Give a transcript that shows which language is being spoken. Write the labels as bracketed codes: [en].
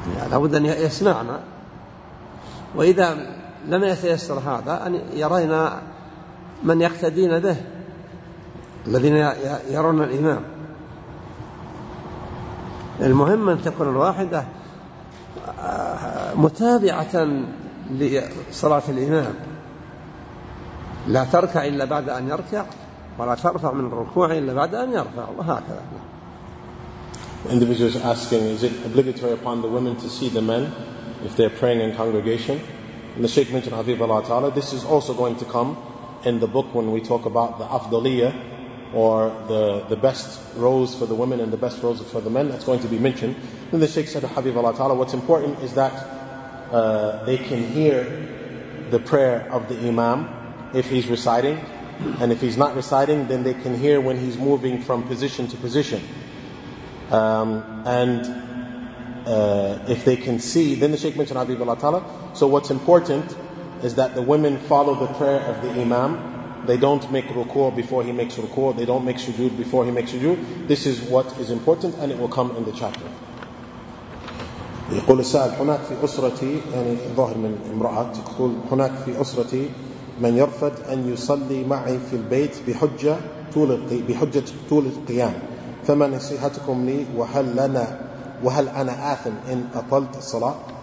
[ar] لابد أن يسمعنا وإذا لم يتيسر هذا أن يرينا من يقتدين به الذين يرون الإمام المهم أن تكون الواحدة متابعة لصلاة الإمام، لا تركع إلا بعد أن يركع، ولا ترفع من الركوع إلا بعد أن يرفع، وهكذا. [en] The individual is asking, is it obligatory upon the women to see the men if they're praying in congregation? And the Shaykh mentioned, Hafidhullah Ta'ala, this is also going to come in the book when we talk about the afdaliyah, or the best roles for the women and the best roles for the men. That's going to be mentioned. Then the Shaykh said to Hafidhullah Ta'ala, what's important is that they can hear the prayer of the imam if he's reciting, and if he's not reciting, then they can hear when he's moving from position to position. If they can see, then the Shaykh mentioned Habibullah Ta'ala. So what's important is that the women follow the prayer of the imam. They don't make ruku' before he makes ruku'. They don't make sujood before he makes sujood. This is what is important, and it will come in the chapter. [ar] يقول السائل هناك في أسرتي يعني ظاهر من امرأة تقول هناك في أسرتي من يرفض أن يصلي معي في البيت بحجة طول القيام. فما نصيحتكم لي وهل لنا وهل أنا آثم إن أطلت الصلاة؟